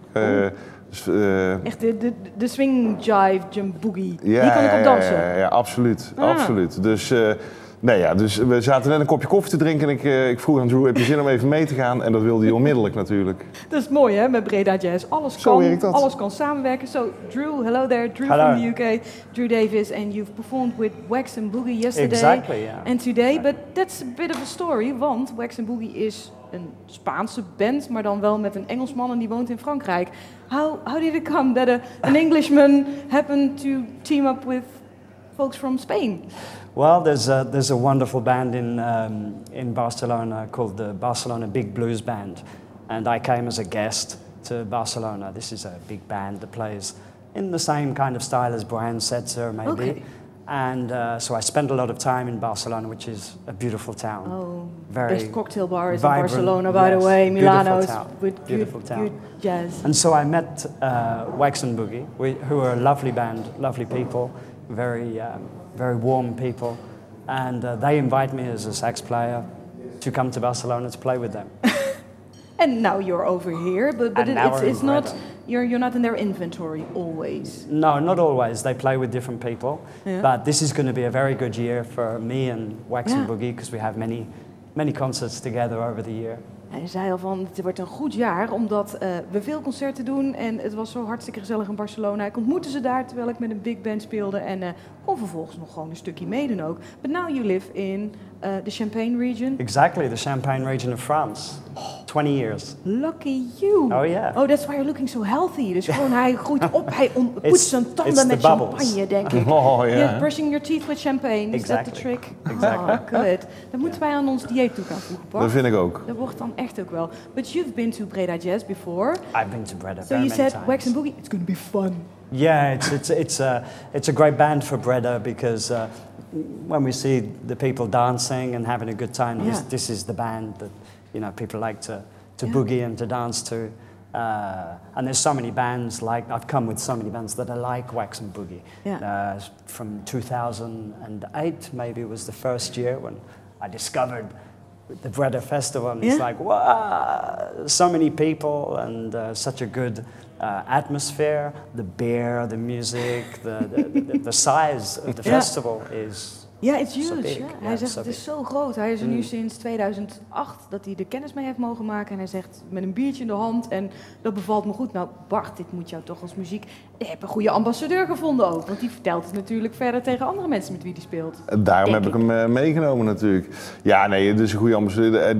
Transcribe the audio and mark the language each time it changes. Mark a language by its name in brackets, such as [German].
[Dutch] Echt de swing, jive, jump, boogie. Ja, die kan ik op dansen. Ja, absoluut. Ah. Absoluut. Dus... Nee, ja, dus we zaten net een kopje koffie te drinken en ik vroeg aan Drew, heb je zin om even mee te gaan? En dat wilde hij onmiddellijk natuurlijk. Dat is mooi, hè, met Breda Jazz. Alles kan, zo werkt dat. Alles kan samenwerken. [English] So, Drew, hello there. Drew hello. From the UK. Drew Davis, and you've performed with Wax & Boogie yesterday. Exactly, yeah. And today, but that's a bit of a story, [Dutch] want Wax & Boogie is een Spaanse band, maar dan wel met een Engelsman en die woont in Frankrijk. [English] How did it come that an Englishman happened to team up with folks from Spain? Well, there's a wonderful band in Barcelona called the Barcelona Big Blues Band, and I came as a guest to Barcelona. This is a big band that plays in the same kind of style as Brian Setzer, maybe. Okay. And so I spent a lot of time in Barcelona, which is a beautiful town. Oh, very best cocktail bar is vibrant, in Barcelona, by the way. Milano is beautiful town. Jazz. And so I met Wax & Boogie, who are a lovely band, lovely people, very. Very warm people, and they invite me as a sax player to come to Barcelona to play with them. And now you're over here, but it's not, you're not in their inventory always. No, not always. They play with different people, yeah. But this is going to be a very good year for me and Wax & Boogie, because we have many, many concerts together over the year. [Dutch] Hij zei al van, het wordt een goed jaar, omdat we veel concerten doen en het was zo hartstikke gezellig in Barcelona. Ik ontmoette ze daar terwijl ik met een big band speelde en kon vervolgens nog gewoon een stukje meedoen ook. [English] But now you live in the Champagne region. Exactly, the Champagne region of France. 20 years. Lucky you. Oh yeah. Oh, that's why you're looking so healthy. [Dutch] Dus gewoon hij groeit op, hij poetst zijn tanden met champagne, denk ik. [English] Oh yeah. You're brushing your teeth with champagne. Exactly. Is that the trick? Exactly. Oh, good. [Dutch] Dan moeten wij aan ons dieet toe gaan voegen, Bart. Dat vind ik ook. Dat wordt dan echt ook wel. [English] But you've been to Breda Jazz before. I've been to Breda. So you said Wax & Boogie, it's going to be fun. Yeah, it's a great band for Breda because when we see the people dancing and having a good time, this is the band that, you know, people like to boogie and to dance to. And there's so many bands, like I've come with so many bands that are like Wax & Boogie. Yeah. From 2008 maybe was the first year when I discovered the Breda Festival, and it's like, wow, so many people and such a good atmosphere. The beer, the music, the size of the festival is it's huge. So big. [Dutch] Yeah. Hij zegt, het is zo groot. Hij is er nu sinds 2008 dat hij er kennis mee heeft mogen maken. En hij zegt, met een biertje in de hand en dat bevalt me goed. Nou Bart, dit moet jou toch als muziek... Je hebt een goede ambassadeur gevonden ook. Want die vertelt het natuurlijk verder tegen andere mensen met wie hij speelt. Daarom heb ik hem meegenomen natuurlijk. Ja, nee, het is een goede ambassadeur.